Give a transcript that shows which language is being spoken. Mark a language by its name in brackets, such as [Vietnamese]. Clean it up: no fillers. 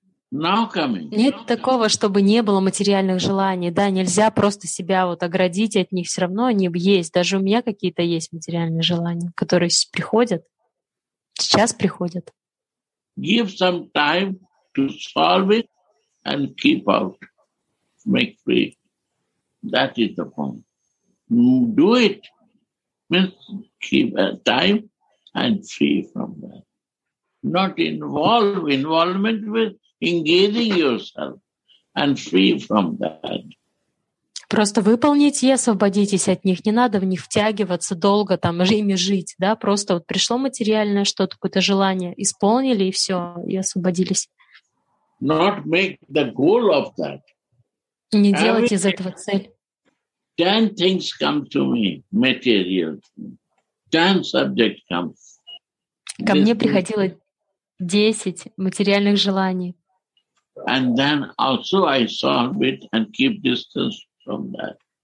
[Russian] Нет такого, чтобы не было материальных желаний. Да, нельзя просто себя вот оградить от них. Все равно они есть. Даже у меня какие-то есть материальные желания, которые приходят. Сейчас приходят. [English] Give some time to solve it and keep out. Make free. That is the point. Do it. Means keep time and free from that. Not involve involvement with engaging yourself and free from that. [Russian] Просто выполнить и освободитесь от них. Не надо в них втягиваться долго, там, ими жить. Да? Просто вот пришло материальное что-то, какое-то желание, исполнили, и все, и освободились. [English] Not make the goal of that. [Russian] Не делать из этого цель. [English] 10 things come to me, material. 10 subjects come. [Russian] Ко мне приходило 10 материальных желаний. [English] And then also I solve it and keep distance from that.